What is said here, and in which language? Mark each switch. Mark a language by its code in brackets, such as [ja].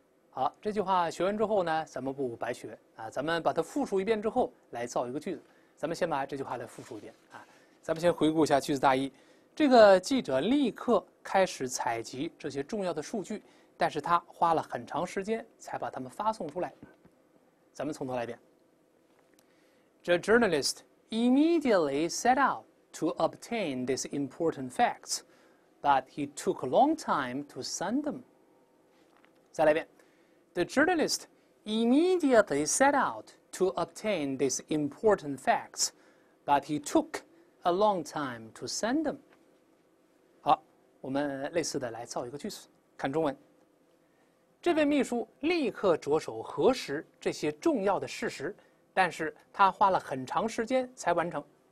[zh] 好，这句话学完之后呢，咱们不白学啊，咱们把它复述一遍之后来造一个句子。咱们先把这句话再复述一遍啊，咱们先回顾一下句子大意。这个记者立刻开始采集这些重要的数据，但是他花了很长时间才把它们发送出来。咱们从头来一遍。 [en] The journalist immediately set out to obtain these important facts, but he took a long time to send them. [zh] 再来一遍。 [en] The journalist immediately set out. To obtain these important facts, but he took a long time to send them. [zh] 好，我们类似的来造一个句子，看中文。这位秘书立刻着手核实这些重要的事实，但是他花了很长时间才完成。